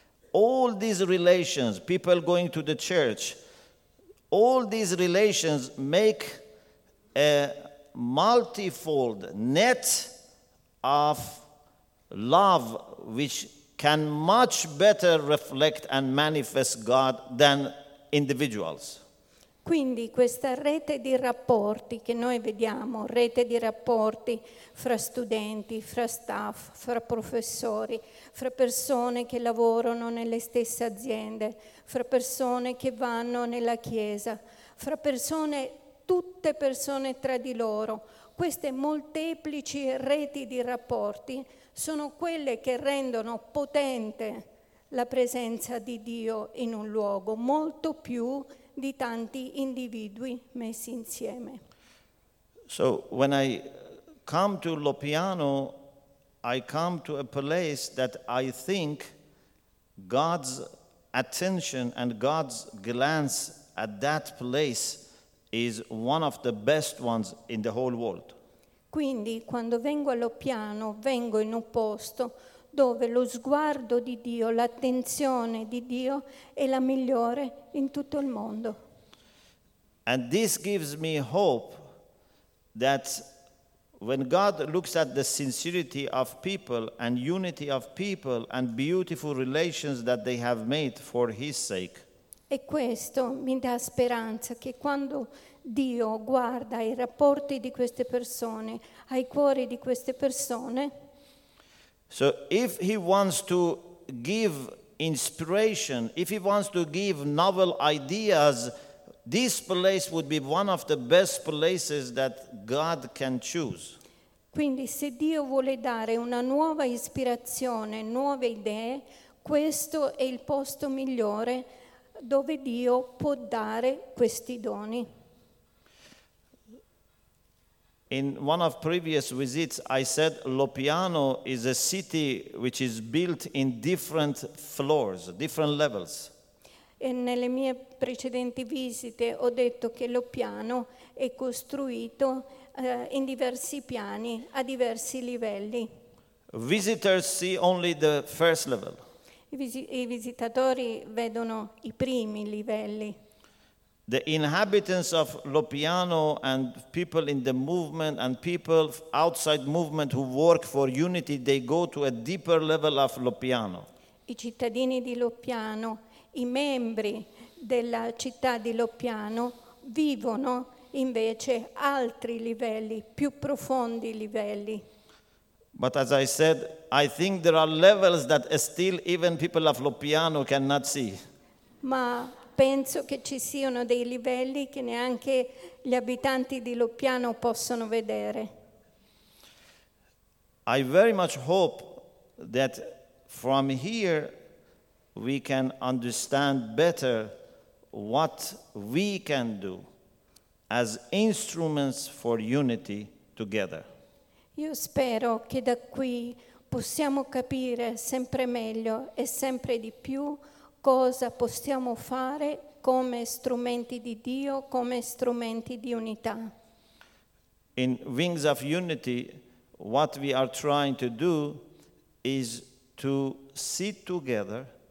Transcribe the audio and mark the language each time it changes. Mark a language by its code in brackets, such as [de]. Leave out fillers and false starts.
[en] All these relations, people going to the church, all these relations make a multifold net of love which can much better reflect and manifest God than individuals. [it] Quindi questa rete di rapporti che noi vediamo, rete di rapporti fra studenti, fra staff, fra professori, fra persone che lavorano nelle stesse aziende, fra persone che vanno nella chiesa, fra persone, tutte persone tra di loro, queste molteplici reti di rapporti sono quelle che rendono potente la presenza di Dio in un luogo, molto più di tanti individui messi insieme. [en] So when I come to Loppiano, I come to a place that I think God's attention and God's glance at that place is one of the best ones in the whole world. [it] Quindi quando vengo a Loppiano, vengo in un posto dove lo sguardo di Dio, l'attenzione di Dio è la migliore in tutto il mondo. [en] And this gives me hope that when God looks at the sincerity of people and unity of people and beautiful relations that they have made for His sake. [it] E questo mi dà speranza che quando Dio guarda i rapporti di queste persone, ai cuori di queste persone. [en] So if he wants to give inspiration, if he wants to give novel ideas, this place would be one of the best places that God can choose. [it] Quindi se Dio vuole dare una nuova ispirazione, nuove idee, questo è il posto migliore dove Dio può dare questi doni. [en] In one of previous visits, I said Loppiano is a city which is built in different floors, different levels. [it] E nelle mie precedenti visite ho detto che Loppiano è costruito in diversi piani, a diversi livelli. [en] Visitors see only the first level. [it] I visitatori vedono i primi livelli. [en] The inhabitants of Lopiano and people in the movement and people outside movement who work for unity, they go to a deeper level of Lopiano. [it] I cittadini di Lopiano, i membri della città di Lopiano vivono invece altri livelli, più profondi livelli. [en] But as I said, I think there are levels that still even people of Lopiano cannot see. [it] Ma penso che ci siano dei livelli che neanche gli abitanti di Lopiano possono vedere. [en] I very much hope that from here we can understand better what we can do as instruments for unity together. [it] Io spero che da qui possiamo capire sempre meglio e sempre di più cosa possiamo fare come strumenti di Dio, come strumenti di unità. [en] In Wings of Unity, what we are trying to do is to sit together